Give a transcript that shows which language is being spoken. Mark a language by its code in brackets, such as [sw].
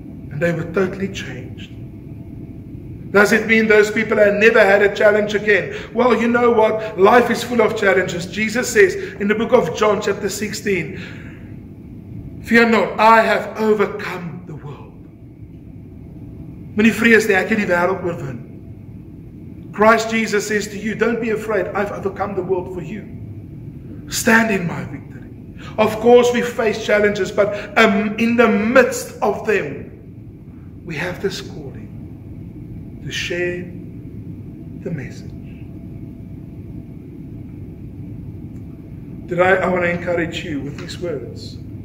[en] And they were totally changed. Does it mean those people have never had a challenge again? Well, you know what? Life is full of challenges. Jesus says in the book of John chapter 16, fear not, I have overcome the world. [af] Moenie vrees nie, ek het die wêreld oorwin. [en] Christ Jesus says to you, don't be afraid, I've overcome the world for you. Stand in my victory. Of course we face challenges, but in the midst of them, we have this call. To share the message. I want to encourage you with these words.